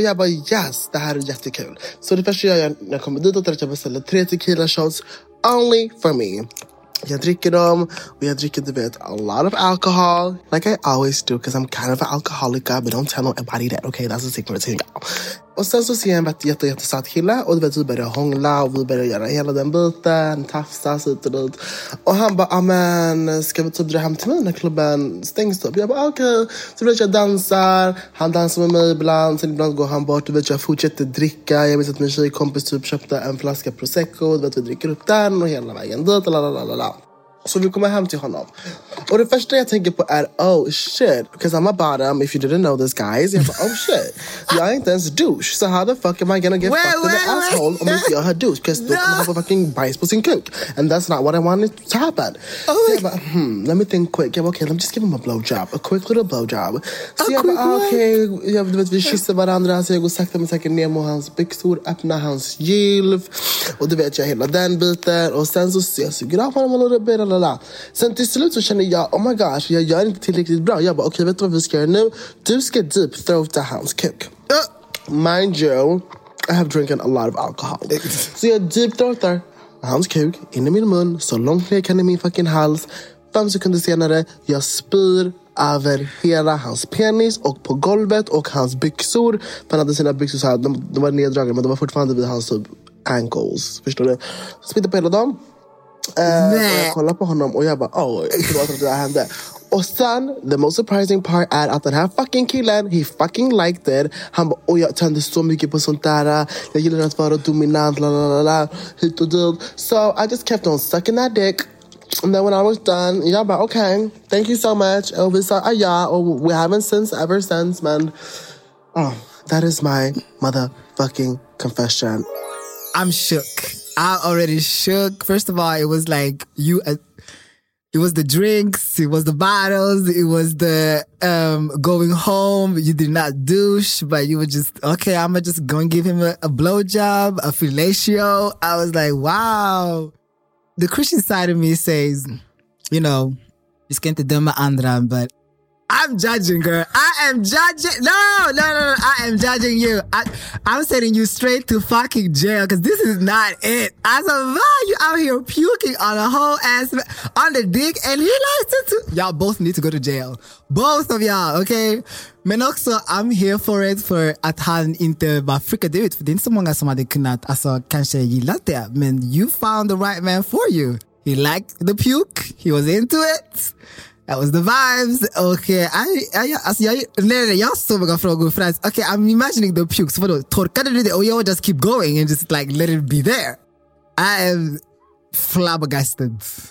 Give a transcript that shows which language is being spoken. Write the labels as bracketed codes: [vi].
[sv] Och jag bara, yes, det här är jättekul. Så det första jag gör när jag kommer dit är att jag beställer 3 tequila shots, [en] only for me. [sv] Jag dricker dem, och jag dricker, du vet, [en] a lot of alcohol. Like I always do, because I'm kind of an alcoholic, but don't tell nobody that, okay, that's a secret thing. [sv] Och sen så ser jag en jättesatt kille, och du vet, vi börjar hångla, och vi börjar göra hela den biten, tafsas ut och ut. Och han bara, amen, ska vi typ dra hem till mig när klubben stängs upp? Jag bara, okej. Så du vet, jag dansar, han dansar med mig ibland, sen ibland går han bort, du vet, jag fortsätter dricka. Jag minns att min tjejkompis typ köpte en flaska Prosecco, du vet, vi dricker upp den och hela vägen dit, lalalala. Så vi kommer hem till honom. Och det första jag tänker på är, [en] oh shit, because I'm a bottom, if you didn't know this guys. [sv] Jag bara, [en] oh shit, [sv] jag är inte ens douche. [en] So how the fuck am I gonna get fucked in the asshole [sv] om inte jag har douche? [en] Because no. [sv] Då kommer han få fucking bajs på sin kuk. [en] And that's not what I wanted to happen. Oh, [sv] så jag bara, [en] let me think quick. [sv] Jag bara, [en] okay, let me just give him a blowjob. A quick little blowjob. [sv] Så jag bara, okej, okay, vi kysser varandra. Så jag går sakta men säkert ner mot hans byxor, öppnar hans gilv. Och du vet, jag hela den biten. Och sen så ser jag så graf honom [en] a little bit. [sv] Sen till slut så känner jag, [en] oh my gosh, [sv] jag gör inte tillräckligt bra. Jag bara, okej, okay, vet du vad vi ska göra nu? Du ska deep throat hans kuk. [en] Mind you, I have drinking a lot of alcohol. [sv] Så jag deep throatar hans kuk in i min mun, så långt ner kan i min fucking hals. 5 sekunder senare, jag spyr över hela hans penis och på golvet och hans byxor. Han hade sina byxor så här, de var neddragna, men de var fortfarande vid hans ankles. Förstår du? Spitter på hela dem. Jag kollar på honom och jag bara, oh, jag tror att det hände. Och sen, [en] the most surprising part [sv] är att den här fucking killen, [en] he fucking liked it. [sv] Han bara, oh, jag tände så mycket på sånt där. Jag gillar att vara dominant, la la la la, hit och dit. [en] So I just kept on sucking that dick. And then when I was done, [sv] jag bara, [en] okay, thank you so much. [sv] Och vi sa, ja, [en] we haven't since, ever since, man. Oh, that is my motherfucking confession. I'm shook. I already shook. First of all, it was like you, it was the drinks, it was the bottles, it was the going home. You did not douche, but you were just, okay, I'm just going to give him a blowjob, a fellatio. I was like, wow. The Christian side of me says, you know, it's going to do my andra, but I'm judging, girl. I am judging. No. I am judging you. I'm sending you straight to fucking jail because this is not it. I said, why are you out here puking on a whole ass, on the dick? And he likes it too. Y'all both need to go to jail. Both of y'all, okay? [sv] Men också, [en] I'm here for it for [sv] att han inte bara freakade David. För det är inte så många som hade kunnat, alltså, kanske gillat det. [en] Men you found the right man for you. He liked the puke. He was into it. That was the vibes. Okay. [sv] Jag har så många frågor. För att, [en] okay, I'm imagining the puke. [sv] Så vadå, torkade du det? Och jag [en] just keep going and just like let it be there. I am flabbergasted.